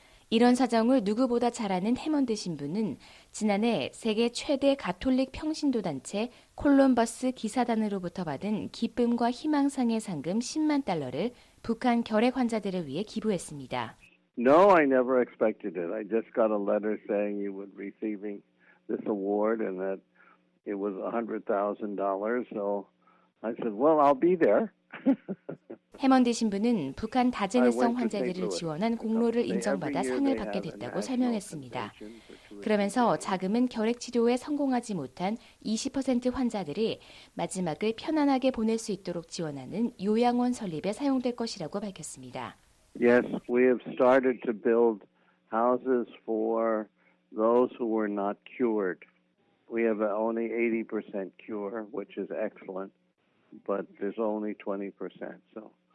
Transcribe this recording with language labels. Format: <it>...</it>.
<ko>이런 사정을 누구보다 잘 아는 해먼드 신부는 지난해 세계 최대 가톨릭 평신도 단체 콜럼버스 기사단으로부터 받은 기쁨과 희망상의 상금 10만 달러를 북한 결핵 환자들을 위해 기부했습니다.</ko> <en>No, I never expected it. I just got a letter saying you would be receiving this award and that it was $100,000. So I said, well, I'll be there.</en> <ko>해먼드 신부는 북한 다제네성 환자들을 지원한 공로를 인정받아 상을 받게 됐다고 설명했습니다. 그러면서 자금은 결핵 치료에 성공하지 못한 20% 환자들이 마지막을 편안하게 보낼 수 있도록 지원하는 요양원 설립에 사용될 것이라고 밝혔습니다.</ko> <en>Yes, we have started to build houses for those who were not cured. We have only 80% cure, which is excellent, but there's only 20%. So</en>